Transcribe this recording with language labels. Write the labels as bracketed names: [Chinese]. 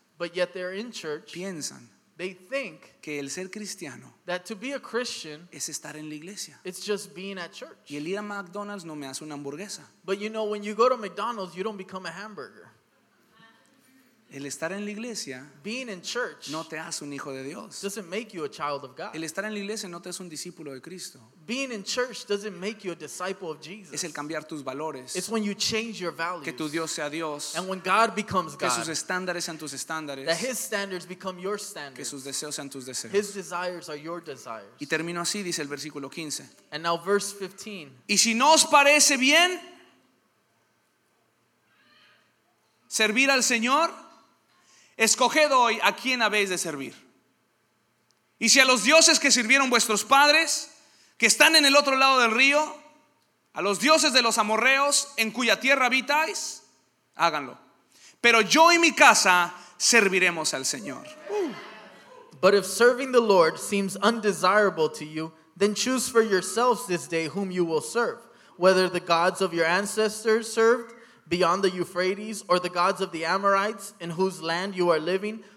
[English] but yet they're in church, [Spanish] piensan, [English] they think [Spanish] que el ser cristiano, [English] that to be a Christian [Spanish] es estar en la iglesia. [English] It's just being at church. [Spanish] Y el ir a McDonald's no me hace una hamburguesa. [English] But you know, when you go to McDonald's, you don't become a hamburger. [Spanish] El estar en la iglesia, [English] being in church, [Spanish] no te hace un hijo de Dios. [English] Doesn't make you a child of God. [Spanish] El estar en la iglesia no te hace un discípulo de Cristo. [English] Being in church doesn't make you a disciple of Jesus. [Spanish] Es el cambiar tus valores. [English] It's when you change your values. [Spanish] Que tu Dios sea Dios. [English] And when God becomes God. [Spanish] Que sus estándares sean tus estándares. [English] That his standards become your standards. [Spanish] Que sus deseos sean tus deseos. [English] His desires are your desires. [Spanish] Y termino así, dice el versículo 15. [English] And now verse 15. [Spanish] Y si no os parece bien servir al Señor, escoged hoy a quién habéis de servir. Y si a los dioses que sirvieron vuestros padres, que están en el otro lado del río, a los dioses de los amorreos en cuya tierra habitáis, háganlo. Pero yo y mi casa serviremos al Señor. [English] But if serving the Lord seems undesirable to you, then choose for yourselves this day whom you will serve, whether the gods of your ancestors served beyond the Euphrates, or the gods of the Amorites in whose land you are living.